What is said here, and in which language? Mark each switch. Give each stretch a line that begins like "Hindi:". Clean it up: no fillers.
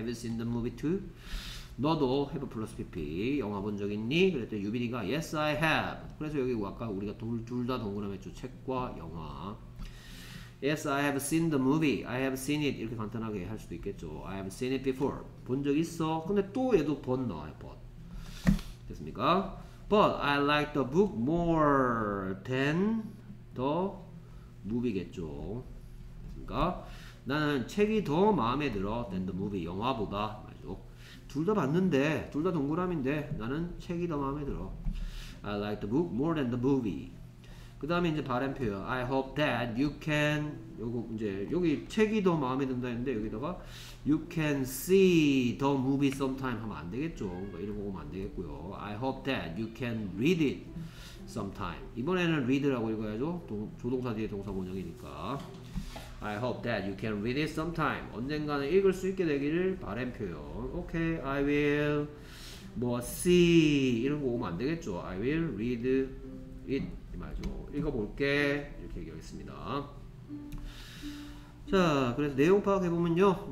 English: Have you seen the movie too?
Korean: 너도
English: have plus pp
Korean: 영화 본적 있니? 그랬더니 유빈이가
English: Yes, I have.
Korean: 그래서 여기 아까 우리가 둘다 동그라미 했죠. 책과 영화.
English: Yes, I have seen the movie. I have seen it.
Korean: 이렇게 간단하게 할 수도 있겠죠.
English: I have seen it before.
Korean: 본적 있어. 근데 또 얘도 본 나와요, 본. 됐습니까?
English: But I like the book more than the movie겠죠.
Korean: 됐습니까? 나는 책이 더 마음에 들어
English: than the movie.
Korean: 영화보다. 맞죠? 둘다 봤는데, 둘다 동그라미인데, 나는 책이 더 마음에 들어.
English: I like the book more than the movie.
Korean: 그 다음에 이제 바램 표현.
English: I hope that you can,
Korean: 요거 이제 여기 책이 더 마음에 든다 했는데 여기다가
English: You can see the movie sometime
Korean: 하면 안 되겠죠. 그러니까 이런 거 보면 안 되겠고요.
English: I hope that you can read it sometime.
Korean: 이번에는 read라고 읽어야죠. 조동사 뒤에 동사 원형이니까.
English: I hope that you can read it sometime.
Korean: 언젠가는 읽을 수 있게 되기를 바램 표현.
English: Okay, I will
Korean: 뭐 see 이런 거 보면 안 되겠죠.
English: I will read it. 말죠.
Korean: 읽어볼게 이렇게 얘기하겠습니다. 자, 그래서 내용 파악해보면요.